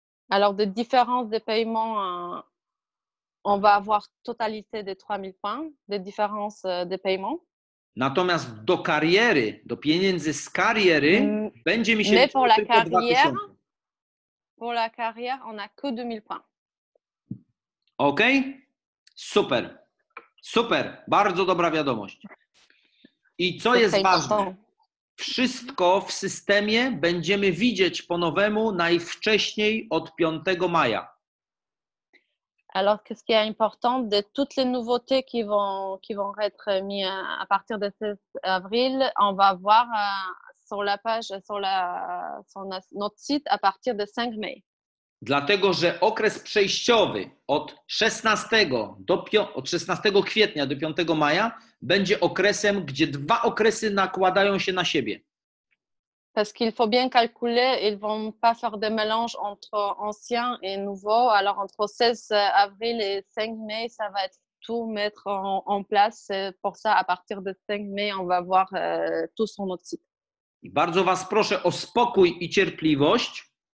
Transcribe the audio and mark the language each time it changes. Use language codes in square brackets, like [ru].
[fr] Alors de différence de paiement on va avoir totalité des 3000 points de différence de paiement. [pl] Natomiast do kariery, do pieniędzy z kariery będzie mi się liczyło tylko 2000. [fr] Pour la carrière on a que 2000 points. Okej? Okay? Super. [pl] Super, bardzo dobra wiadomość. I co jest ważne? Wszystko w systemie będziemy widzieć po nowemu najwcześniej od 5 maja. [fr] Alors, qu'est-ce qui est important de toutes les nouveautés qui vont être mises à partir de 6 avril, on va voir sur la page, sur notre site à partir de 5 mai. [pl] Dlatego, że okres przejściowy od 16 kwietnia do 5 maja będzie okresem, gdzie dwa okresy nakładają się na siebie. [fr] Parce qu'il faut bien calculer, ils vont pas faire de mélange entre ancien et nouveau. Alors entre 16 avril et 5 mai, ça va être tout mettre en place. Pour ça, à partir de 5 mai, on va voir tout sur notre site. [pl] I bardzo was proszę o spokój i cierpliwość.